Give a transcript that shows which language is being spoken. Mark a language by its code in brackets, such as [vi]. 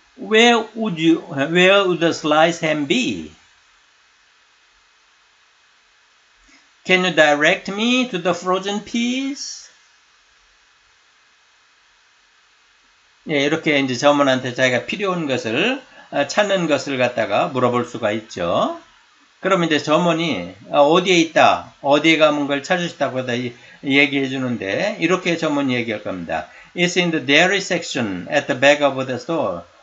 [en] where would the slice ham be? Can you direct me to the frozen peas? [ko] 예, 이렇게 이제 점원한테 자기가 필요한 것을 찾는 것을 갖다가 물어볼 수가 있죠. 그럼 이제 점원이 어디에 있다, 어디에 가면 걸 찾으시다고 다 얘기해 주는데 이렇게 점원이 얘기할 겁니다. [en] It's in the dairy section at the back of the store.